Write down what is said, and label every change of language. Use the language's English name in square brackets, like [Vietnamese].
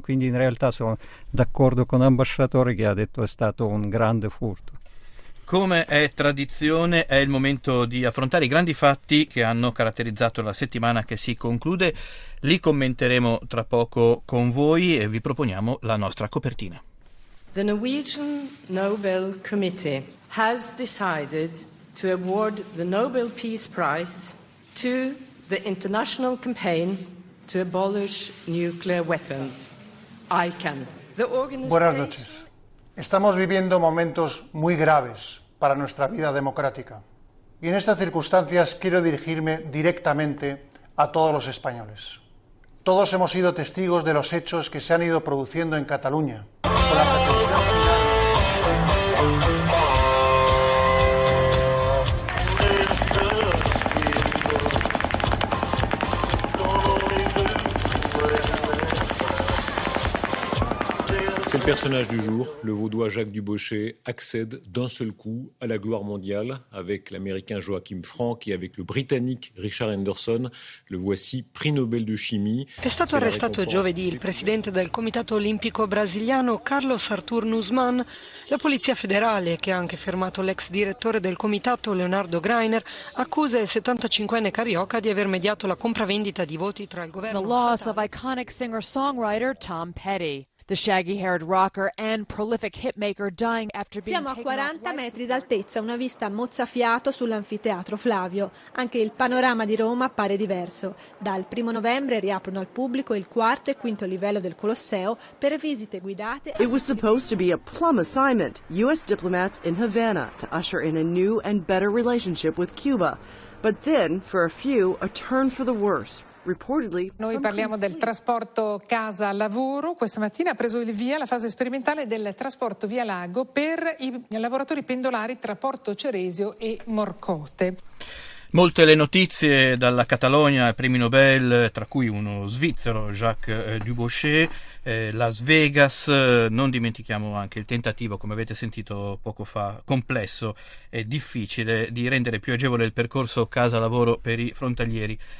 [Italian] Quindi in realtà sono d'accordo con l'ambasciatore che ha detto che è stato un grande furto. Come è tradizione, è il momento di affrontare i grandi fatti che hanno caratterizzato la settimana che si conclude. Li commenteremo tra poco con voi e vi proponiamo la nostra copertina. [English] The Norwegian Nobel Committee has decided to award the Nobel Peace Prize to the international campaign to abolish nuclear weapons, ICAN. The organization... [Spanish] Buenas noches. Estamos viviendo momentos muy graves para nuestra vida democrática. Y en estas circunstancias quiero dirigirme directamente a todos los españoles. Todos hemos sido testigos de los hechos que se han ido produciendo en Cataluña. [French] C'est le personnage du jour, le vaudois Jacques Dubochet accède d'un seul coup à la gloire mondiale avec l'américain Joachim Frank et avec le britannique Richard Anderson. Le voici prix Nobel de chimie. [Italian] È stato arrestato giovedì il presidente del comitato olimpico brasiliano Carlos Artur Nussmann. La polizia federale, che ha anche fermato l'ex direttore del comitato Leonardo Greiner, accusa il 75enne carioca di aver mediato la compravendita di voti tra il governo. [English] The loss of iconic singer-songwriter Tom Petty. The shaggy-haired rocker and prolific hitmaker dying after being. [Italian] Siamo a 40 metri d'altezza, una vista mozzafiato sull'anfiteatro Flavio. Anche il panorama di Roma appare diverso. Dal 1 novembre riaprono al pubblico il quarto e quinto livello del Colosseo per visite guidate. [English] It was supposed to be a plum assignment. US diplomats in Havana to usher in a new and better relationship with Cuba. But then, for a few, a turn for the worse. [Italian] Noi parliamo del trasporto casa-lavoro. Questa mattina ha preso il via la fase sperimentale del trasporto via lago per i lavoratori pendolari tra Porto Ceresio e Morcote. Molte le notizie dalla Catalogna, premi Nobel, tra cui uno svizzero, Jacques Dubochet, Las Vegas, non dimentichiamo anche il tentativo, come avete sentito poco fa, complesso e difficile, di rendere più agevole il percorso casa-lavoro per i frontalieri.